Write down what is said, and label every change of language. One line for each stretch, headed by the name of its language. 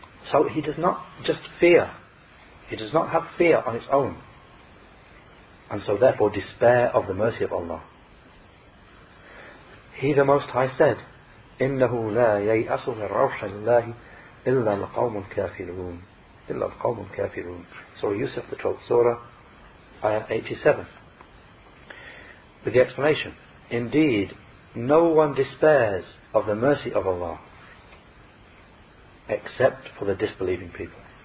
English: So he does not just fear, he does not have fear on its own, and so therefore despair of the mercy of Allah. He the Most High said,
Arabic: إِنَّهُ لَا يَيْأَسُ مِنْ رَوْحِ اللَّهِ إِلَّا الْقَوْمُ الْكَافِرُونَ إِلَّا الْقَوْمُ الْكَافِرُونَ.
English: Surah Yusuf, the 12th Surah, Ayah 87. With the explanation, indeed, no one despairs of the mercy of Allah except for the disbelieving people.